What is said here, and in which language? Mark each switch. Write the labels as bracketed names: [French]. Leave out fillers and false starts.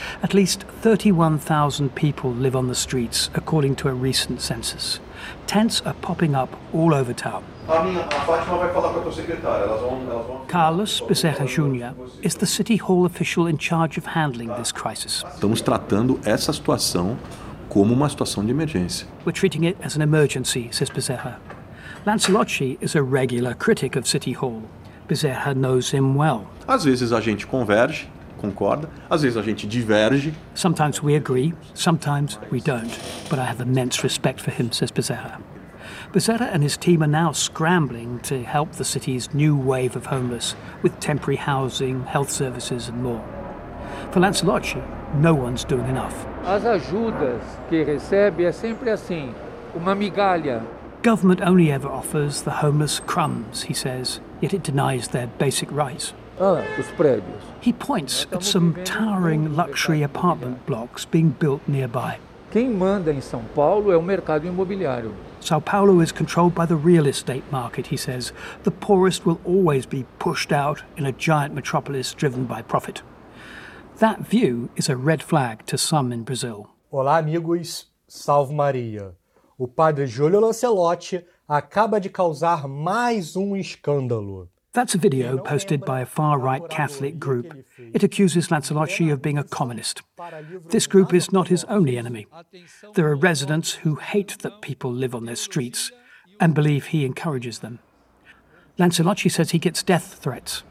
[English] At least 31,000 people live on the streets, according to a recent census. Tents are popping up all over town. Carlos Becerra Jr. is the city hall official in charge of handling this crisis. [Portuguese] Estamos tratando essa situação como uma situação de emergência. [English] We're treating it as an emergency, says Becerra. Lancelotti is a regular critic of City Hall. Becerra knows him well. [Portuguese] Às vezes a gente converge, concorda. Às vezes a gente diverge. [English] Sometimes we agree, sometimes we don't. But I have immense respect for him, says Becerra. Becerra and his team are now scrambling to help the city's new wave of homeless with temporary housing, health services and more. For Lancelotti, no one's doing enough. [Portuguese] As ajudas que recebe é sempre assim, uma migalha. [English] Government only ever offers the homeless crumbs, he says, yet it denies their basic rights. [Portuguese] Os prédios. [English] He points at some towering luxury apartment blocks being built nearby. [Portuguese] Quem manda em São Paulo é o mercado imobiliário. [English] São Paulo is controlled by the real estate market, he says. The poorest will always be pushed out in a giant metropolis driven by profit. That view is a red flag to some in Brazil. [Portuguese] Olá, amigos. Salve Maria. O padre Júlio Lancelotti acaba de causar mais escândalo. [English] That's a video posted by a far-right Catholic group. It accuses Lancelotti of being a communist. This group is not his only enemy. There are residents who hate that people live on their streets and believe he encourages them. Lancelotti says he gets death threats.